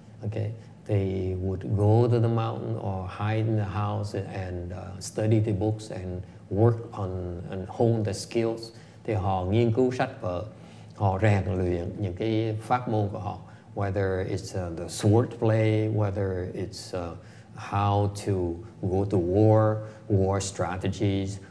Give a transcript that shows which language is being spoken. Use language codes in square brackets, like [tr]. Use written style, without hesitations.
[en] Okay, they would go to the mountain or hide in the house and study the books and work on and hone the skills. [vi] Thì họ nghiên cứu sách vở, họ rèn luyện những cái pháp môn của họ. [en] Whether it's the sword play, whether it's how to go to war, war strategies.